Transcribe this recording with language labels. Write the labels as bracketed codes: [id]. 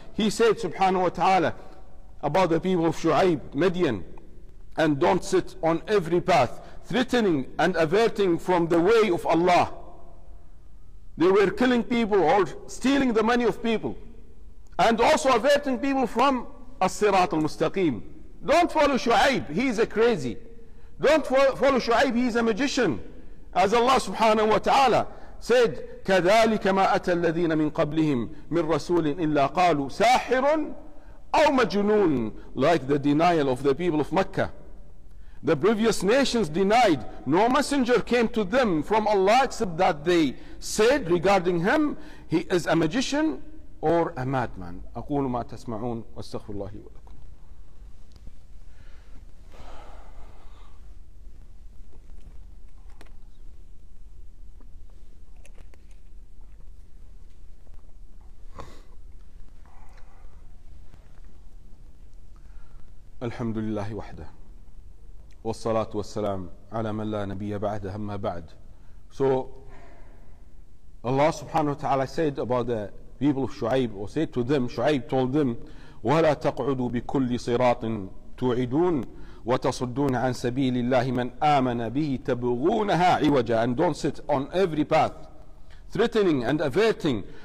[en] He said subhanahu wa ta'ala about the people of Shu'aib, Midian, and don't sit on every path, threatening and averting from the way of Allah. They were killing people or stealing the money of people, and also averting people from as-sirat al-mustaqim. Don't follow Shu'aib, he's a crazy. Don't follow Shu'aib, he's a magician. As Allah subhanahu wa ta'ala said, [ar] كَذَلِكَ مَا أَتَى الَّذِينَ مِنْ قَبْلِهِمْ مِنْ رَسُولٍ إِلَّا قَالُوا سَاحِرٌ أَوْ مَجْنُونٌ. [en] Like the denial of the people of Mecca. The previous nations denied, no messenger came to them from Allah except that they said regarding him, he is a magician or a madman. [ar] أَقُولُ مَا تَسْمَعُونَ وَاسْتَغْفِرُ اللَّهِ وَلَكُمْ. الحمد لله وحده والصلاة والسلام على من لا نبي بعد أما بعد. [en] So Allah subhanahu wa ta'ala said about the people of Shu'aib, or said to them, Shu'aib told them, [ar] وَلَا تَقْعُدُوا بِكُلِّ صِرَاطٍ تُعِدُونَ وَتَصُدُّونَ عَن سَبِيلِ اللَّهِ مَنْ آمَنَ بِهِ تَبْغُونَهَا عِوَجًا. [en] And don't sit on every path, threatening and averting